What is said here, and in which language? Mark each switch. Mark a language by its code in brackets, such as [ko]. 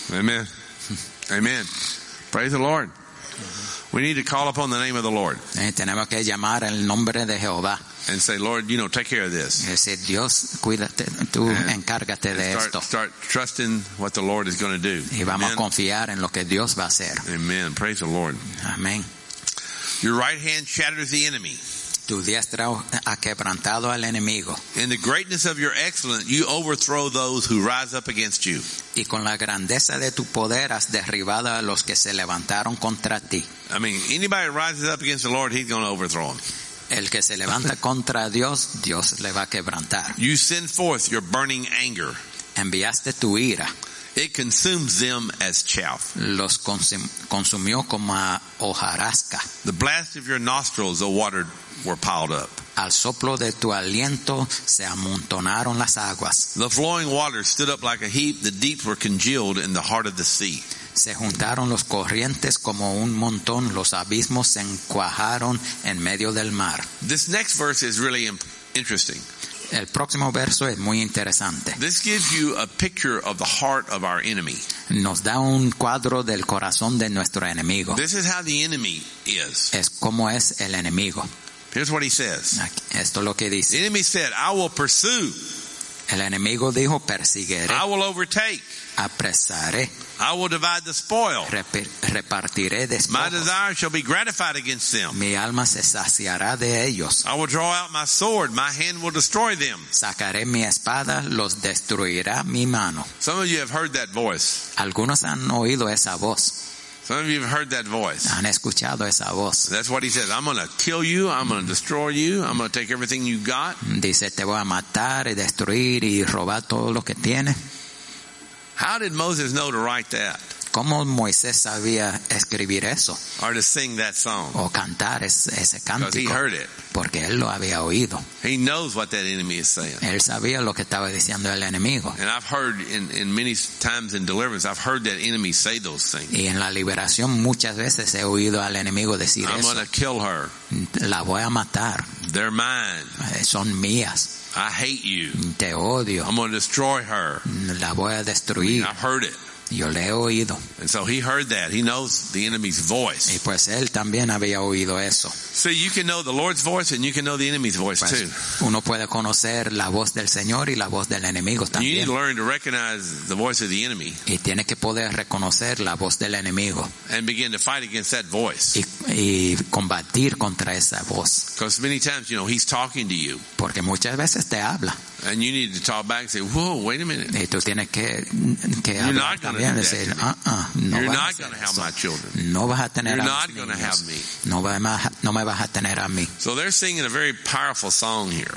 [en] Amen. Amen. Praise the Lord. We need to call upon the name of the Lord. [es] Tenemos que llamar el nombre de Jehová. [en] And say, Lord, you know, take care of this. [es] Decir, Dios, cuídate, tú encárgate de esto. [en] Start trusting what the Lord is going to do. [es] Y vamos a confiar en lo que Dios va a hacer. [en] Amen. Praise the Lord. Amen. Your right hand shatters the enemy. [es] Tu diestra ha quebrantado al enemigo. [en] In the greatness of your excellence, you overthrow those who rise up against you. [es] Y con la grandeza de tu poder has derribado a los que se levantaron contra ti. [en] I mean, anybody rises up against the Lord, he's going to overthrow them. [es] El que se levanta contra Dios, Dios le va a quebrantar. [en] You send forth your burning anger. [es] Enviaste tu ira. [en] It consumes them as chaff. [es] Los consumió como a hojarasca. [en] The blast of your nostrils, the water were piled up. [es] Al soplo de tu aliento se amontonaron las aguas. [en] The flowing water stood up like a heap. The deep were congealed in the heart of the sea. [es] Se juntaron los corrientes como un montón. Los abismos se encuajaron en medio del mar. [en] This next verse is really interesting. [es] El próximo verso es muy interesante. [en] This gives you a picture of the heart of our enemy. [es] Nos da un cuadro del corazón de nuestro enemigo. [en] This is how the enemy is. [es] Es como es el enemigo. [en] Here's what he says. [es] Esto es lo que dice. [en] The enemy said, I will pursue. [es] El enemigo dijo, persiguiré. [en] I will overtake. [es] Apresaré. [en] I will divide the spoil. [es] Repartiré despojos. [en] My desire shall be gratified against them. [es] Mi alma se saciará de ellos. [en] I will draw out my sword. My hand will destroy them. [es] Sacaré mi espada. Los destruirá mi mano. [en] Some of you have heard that voice. [es] Algunos han oído esa voz. [en] Some of you have heard that voice. [es] Han escuchado esa voz. [en] That's what he says. I'm going to kill you. I'm going to destroy you. I'm going to take everything you got. [es] Dice, te voy a matar y destruir y robar todo lo que tienes. [en] How did Moses know to write that? [es] ¿Cómo Moisés sabía escribir eso? [en] Or to sing that song? [es] O cantar ese cántico. [en] Because he heard it. [es] Porque él lo había oído. [en] He knows what that enemy is saying. [es] Él sabía lo que estaba diciendo el enemigo. [en] And I've heard in many times in deliverance, I've heard that enemy say those things. [es] Y en la liberación muchas veces he oído al enemigo decir [en] I'm [es] eso. [en] I'm going to kill her. [es] La voy a matar. [en] They're mine. [es] Son mías. [en] I hate you. [es] Te odio. [en] I'm going to destroy her. [es] La voy a destruir. [en] I've heard it. [es] Yo le he oído. [en] And so he heard that. He knows the enemy's voice. [es] Y pues él también había oído eso. [en] So you can know the Lord's voice and you can know the enemy's voice [es] pues, [en] too. [es] Uno puede conocer la voz del Señor y la voz del enemigo también. [en] You need to learn to recognize the voice of the enemy. [es] Y tiene que poder reconocer la voz del enemigo. [en] And begin to fight against that voice. [es] Y combatir contra esa voz. [en] Because many times, you know, he's talking to you. [es] Porque muchas veces te habla. [en] And you need to talk back and say, whoa, wait a minute. [es] Y tú tienes que hablar. [en] You're not going to have my children. [es] No vas a tener [en] You're not going to have me. So they're singing a very powerful song here.